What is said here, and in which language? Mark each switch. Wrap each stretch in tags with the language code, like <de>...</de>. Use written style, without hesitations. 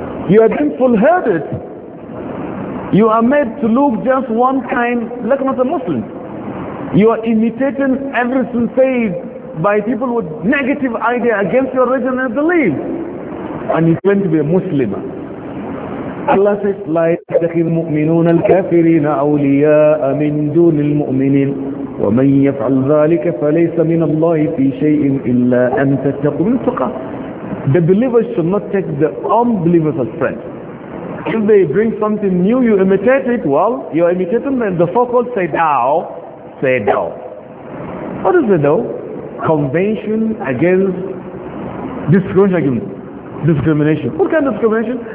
<en>You are being full-headed. You are made to look just one kind, like not a Muslim. You are imitating everything said by people with negative idea against your religion and belief. And you claim to be a Muslim.</en> <ar>الله says لا يتخذ المؤمنون الكافرين أولياء من دون المؤمنين ومن يفعل ذلك فليس من الله في شيء إلا أن تتقوا من تقى.</ar> <en>The believers should not take the unbelievers as friends. If they bring something new, you imitate it. Well, you imitate them, and the so-called say thou, say thou. What is it though? Convention against discrimination. What kind of discrimination?</en>